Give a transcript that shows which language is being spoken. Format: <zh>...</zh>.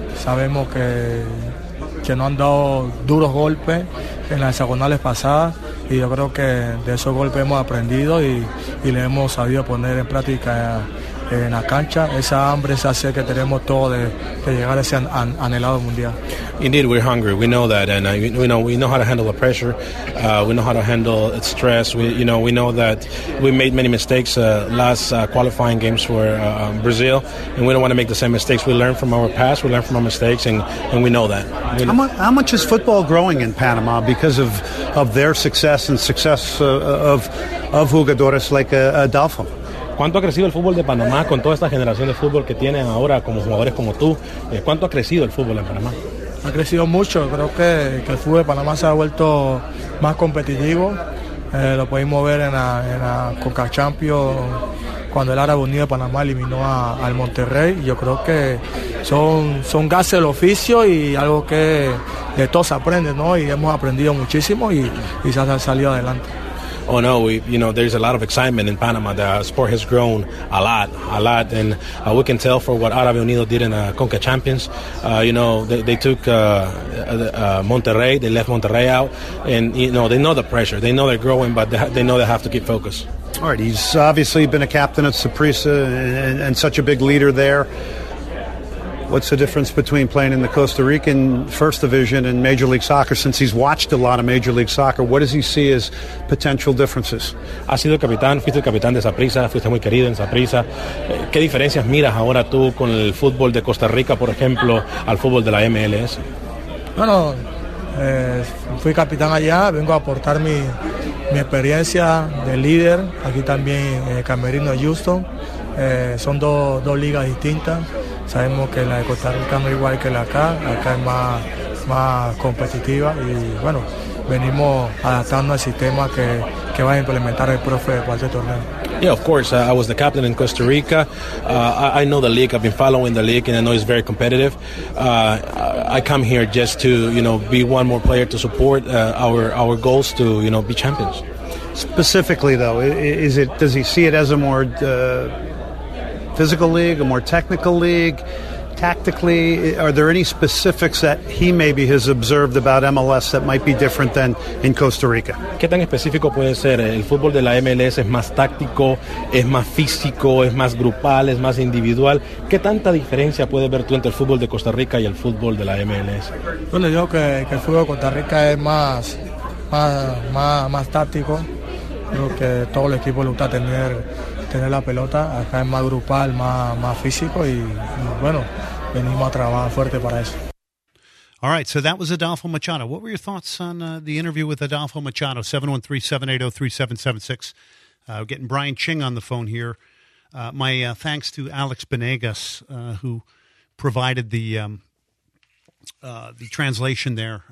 <es>Sabemos que no han dado duros golpes en las hexagonales pasadas, y yo creo que de esos golpes hemos aprendido y le hemos sabido poner en práctica en la cancha esa hambre, esa sed que tenemos todos de llegar a ese anhelado mundial.</es> <en>Indeed, we're hungry. We know that, and we know how to handle the pressure. We know how to handle stress. We know that we made many mistakes last qualifying games for Brazil, and we don't want to make the same mistakes. We learn from our past. We learn from our mistakes, and we know that. How much is football growing in Panama because of their success and success of jugadores like Adolfo?</en> <es>¿Cuánto ha crecido el fútbol de Panamá con toda esta generación de fútbol que tienen ahora como jugadores como tú? ¿Cuánto ha crecido el fútbol en Panamá? Ha crecido mucho, creo que el fútbol de Panamá se ha vuelto más competitivo. Lo pudimos ver en la Conca Champions cuando el Árabe Unido de Panamá eliminó al Monterrey. Yo creo que son gases del oficio y algo que de todos aprende, ¿no? Y hemos aprendido muchísimo y se ha salido adelante.</es> <en>Oh no, there's a lot of excitement in Panama. The sport has grown a lot, and we can tell for what Árabe Unido did in the Conca Champions. They took Monterrey, they left Monterrey out, and they know the pressure. They know they're growing, but they know they have to keep focused. All right, he's obviously been a captain at Saprissa and such a big leader there. What's the difference between playing in the Costa Rican First Division and Major League Soccer? Since he's watched a lot of Major League Soccer, what does he see as potential differences?</en> <es>Has sido capitán, fuiste el capitán de Saprissa, fuiste muy querido en Saprissa. ¿Qué diferencias miras ahora tú con el fútbol de Costa Rica, por ejemplo, al fútbol de la MLS? Bueno, fui capitán allá, vengo a aportar mi experiencia de líder. Aquí también Camerino y Houston. Son dos ligas distintas. Sabemos que la de Costa Rica no es igual que la acá es más competitiva, y bueno, venimos adaptando al sistema que va a implementar el profe para este torneo.</es> <en>Yeah, of course. I was the captain in Costa Rica. I know the league. I've been following the league, and I know it's very competitive. I come here just to, be one more player to support our goals to, be champions. Specifically, though, does he see it as a more physical league, a more technical league, tactically? Are there any specifics that he maybe has observed about MLS that might be different than in Costa Rica?</en> <es>¿Qué tan específico puede ser? El fútbol de la MLS es más táctico, es más físico, es más grupal, es más individual. ¿Qué tanta diferencia puede ver tú entre el fútbol de Costa Rica y el fútbol de la MLS? Bueno, yo creo que el fútbol de Costa Rica es más táctico. Creo que todo el equipo le gusta tener la pelota. Acá es más grupal, más físico, y bueno, venimos a trabajar fuerte para eso.</es> <en>All right, so that was Adolfo Machado. What were your thoughts on the interview with Adolfo Machado? 713-780-3776. Getting Brian Ching on the phone here. My thanks to Alex Benegas, who provided the translation there.</en>